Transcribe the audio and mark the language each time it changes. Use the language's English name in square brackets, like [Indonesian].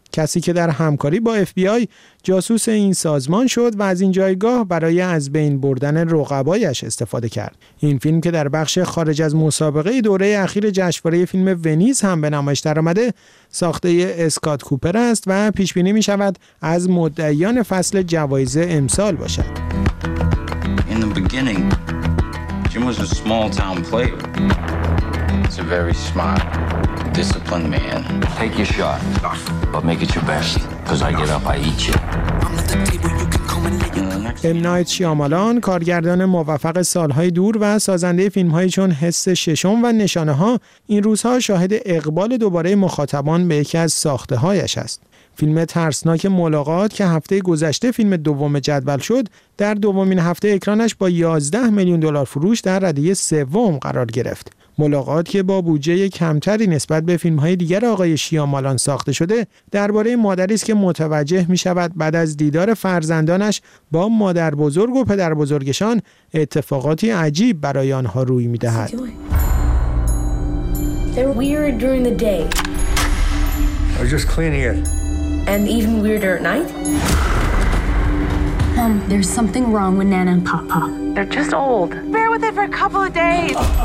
[Persian] کسی که در همکاری با FBI جاسوس این سازمان شد و از این جایگاه برای از بین بردن رقبایش استفاده کرد. این فیلم که در بخش خارج از مسابقه دوره اخیر جشنواره فیلم ونیز هم به نمایش درآمده، ساخته اسکات کوپر است و پیش بینی می شود از مدعیان فصل جوایز امسال باشد. [English] In the beginning, Jim was a small town player. He's a very smart, disciplined man. Take your shot, enough. But make it your best, because I get up, I eat you. M. [Persian] Night Shyamalan، کارگردان موفق سالهای دور و سازنده فیلمهایی چون حس ششم و نشانه ها، این روزها شاهد اقبال دوباره مخاطبان به یکی از ساخته هایش است. فیلم ترسناک ملاقات که هفته گذشته فیلم دوم جدول شد، در دومین هفته اکرانش با 11 میلیون دلار فروش در رده سوم قرار گرفت. ملاقات که با بودجه کمتری نسبت به فیلم‌های دیگر آقای شیامالان ساخته شده، درباره مادری است که متوجه می‌شود بعد از دیدار فرزندانش با مادر بزرگ و پدر بزرگشان اتفاقاتی عجیب برای آنها روی می‌دهد. [English] They're weird during the day. I'm just cleaning it. And even weirder at night. Mom, there's something wrong with Nana and Papa. They're just old. Bear with it for a couple of days.